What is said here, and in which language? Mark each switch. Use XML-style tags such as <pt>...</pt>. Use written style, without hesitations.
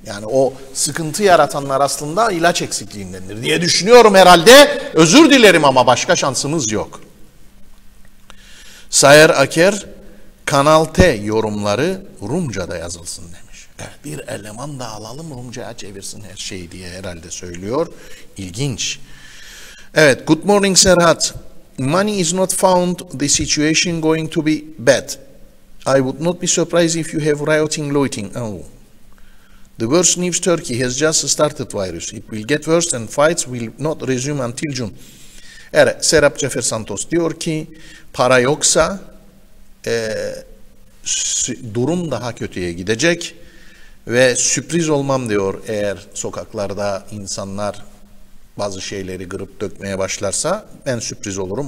<tr>Yani o sıkıntı yaratanlar aslında ilaç eksikliğindendir diye düşünüyorum herhalde. Özür dilerim ama başka şansımız yok. Sayer Aker, Kanal T yorumları Rumca'da yazılsın demiş. Bir eleman da alalım Rumca'ya çevirsin her şeyi diye herhalde söylüyor. İlginç. Evet,</tr> <en>good morning Serhat. Money is not found, the situation going to be bad. I would not be surprised if you have rioting, looting. Oh. The worst news, Turkey has just started virus. It will get worse and fights will not resume until June.</en> <tr>Evet, Serap Cefer Santos diyor ki para yoksa durum daha kötüye gidecek. Ve sürpriz olmam diyor, eğer sokaklarda insanlar bazı şeyleri kırıp dökmeye başlarsa ben sürpriz olurum.</tr>